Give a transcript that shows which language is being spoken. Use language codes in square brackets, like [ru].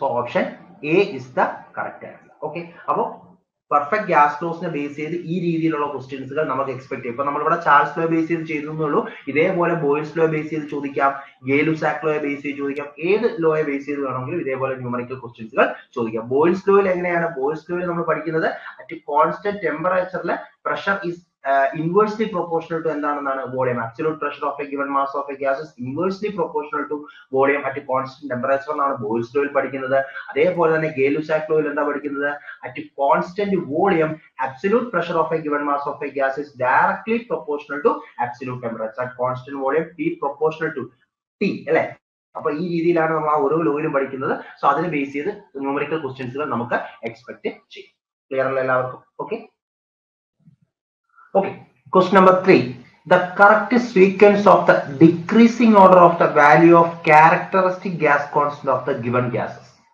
[en] So option A is the correct answer. [ml] Okay, appo perfect gas ലോസിനെ base ചെയ്ത് ഈ രീതിയിലുള്ള ക്വസ്റ്റ്യൻസുകൾ നമുക്ക് എക്സ്പെക്ട് ചെയ്യും. ഇപ്പൊ നമ്മളിവിടെ ചാൾസ് ലോയെ ബേസ് ചെയ്ത് ചെയ്തുള്ളൂ, ഇതേപോലെ ബോയ്സ് ലോയെ ബേസ് ചെയ്ത് ചോദിക്കാം, ഗേലുസാക് ലോയെ ബേസ് ചെയ്ത് ചോദിക്കാം, ഏത് ലോയെ ബേസ് ചെയ്ത് വേണമെങ്കിലും ഇതേപോലെ ന്യൂമറിക്കൽ ക്വസ്റ്റ്യൻസുകൾ ചോദിക്കാം. ബോയ്സ് ലോയിൽ എങ്ങനെയാണ്, ബോയ്സ് ലോയിൽ നമ്മൾ പഠിക്കുന്നത് [en] at constant ടെമ്പറേച്ചറിൽ pressure is inversely proportional to [ml] എന്താണെന്നാണ് volume. [en] absolute pressure of a given mass of a gas is inversely proportional to volume at constant temperature [ml] എന്നാണ് ബോയ്സ് ലോയിൽ പഠിക്കുന്നത്. അതേപോലെ തന്നെ ഗേലുസാക് ലോയിൽ എന്താ പഠിക്കുന്നത്, [en] At constant volume absolute pressure of a given mass of a gas is directly proportional to absolute temperature. [ml] At constant volume P proportional to T അല്ലെ. അപ്പൊ ഈ രീതിയിലാണ് നമ്മൾ ആ ഓരോ ലോയിലും പഠിക്കുന്നത്. സോ അതിനെ ബേസ് ചെയ്ത് ന്യൂമറിക്കൽ ക്വസ്റ്റ്യൻസുകൾ നമുക്ക് എക്സ്പെക്ട് ചെയ്യും. ക്ലിയർ അല്ലേ എല്ലാവർക്കും? Okay. [en] Okay, question number 3. The correct sequence of the decreasing order of the value of characteristic gas constant of the given gases.